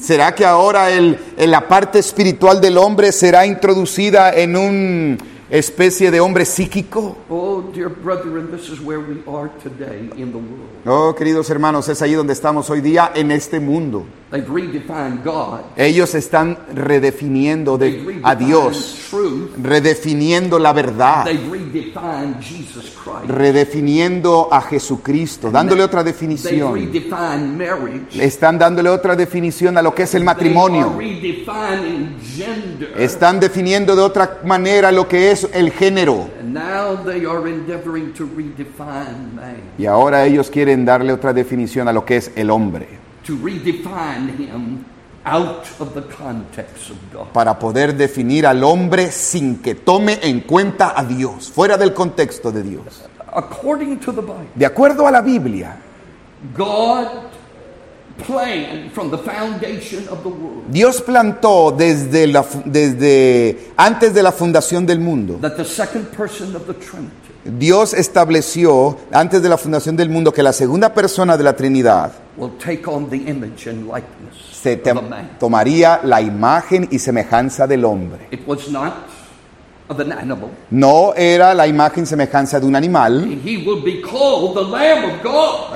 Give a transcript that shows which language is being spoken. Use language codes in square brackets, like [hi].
[es] ¿Será que ahora la parte espiritual del hombre será introducida en un especie de hombre psíquico. [en] Oh, dear brethren, this is where we are today in the world. [es] Oh, queridos hermanos, es ahí donde estamos hoy día en este mundo. [en] They've redefined God. [es] Ellos están redefiniendo a Dios, [en] truth. [es] Redefiniendo la verdad. [en] They've redefined Jesus Christ. [es] Redefiniendo a Jesucristo, dándole otra definición. [en] They've redefined marriage. [es] Están dándole otra definición a lo que es el matrimonio. [en] They are redefining gender. [es] Están definiendo de otra manera lo que es el género. [en] Now they are endeavoring to redefine man. [es] Y ahora ellos quieren darle otra definición a lo que es el hombre. [en] To redefine him out of the context of God. [es] Para poder definir al hombre sin que tome en cuenta a Dios, fuera del contexto de Dios. [en] According to the Bible. [es] De acuerdo a la Biblia. [en] God planned from the foundation of the world. [es] Dios plantó desde antes de la fundación del mundo. [en] That the second person of the Trinity. [es] Dios estableció antes de la fundación del mundo que la segunda persona de la Trinidad [en] will take on the image and likeness [es] se tomaría la imagen y semejanza del hombre. [en] It was not of an animal. [es] No era la imagen y semejanza de un animal. [en] He will be called the Lamb of God.